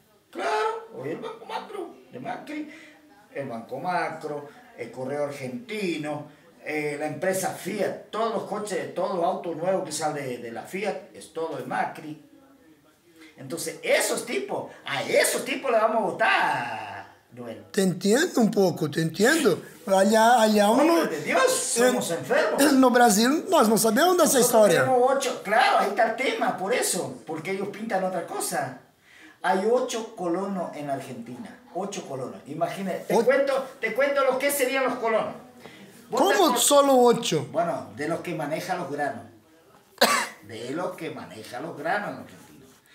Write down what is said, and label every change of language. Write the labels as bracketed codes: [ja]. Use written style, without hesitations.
[es] Claro, hoy el Banco Macro de Macri, el Banco Macro, el Correo Argentino, la empresa Fiat, todos los coches, todos los autos nuevos que salen de la Fiat, es todo de Macri. Entonces, esos tipos, a esos tipos le vamos a votar, Noel. Te entiendo un poco, te entiendo. Allá uno... ¡Hombre de Dios! Somos enfermos. [pt] No, Brasil, nós não sabemos dessa história. [es] Nosotros tenemos 8, claro, ahí está el tema, por eso. Porque ellos pintan otra cosa. Hay 8 colonos en Argentina. 8 colonos. Imagínate, te cuento lo que serían los colonos. ¿Cómo solo 8? Bueno, de los que maneja los granos. De los que maneja los granos en Argentina.